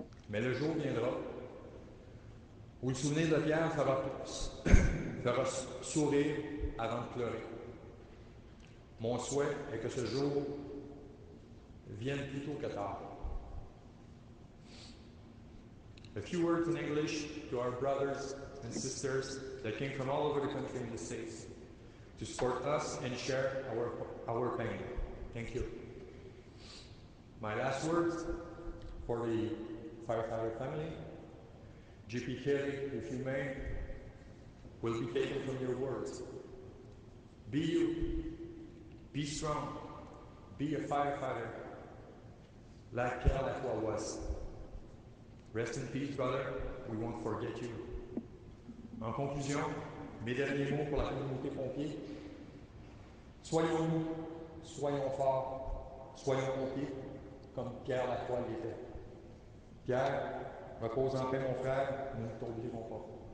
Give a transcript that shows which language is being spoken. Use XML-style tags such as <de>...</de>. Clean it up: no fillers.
<fr>Mais le jour viendra où le souvenir de Pierre fera sourire avant de pleurer. Mon souhait est que ce jour vienne plus tôt que tard.</fr> <en>A few words in English to our brothers and sisters that came from all over the country and the States to support us and share our pain. Thank you. My last words for the firefighter family, GP Kelly, if you may, will be taken from your words. Be you, be strong, be a firefighter like Pierre Lacroix was. Rest in peace, brother, we won't forget you.</en> <fr>En conclusion, mes derniers mots pour la communauté pompier, soyons-nous, soyons forts, soyons pompiers comme Pierre Lacroix l'était. Pierre, repose en paix, mon frère, nous ne t'oublierons pas.</fr>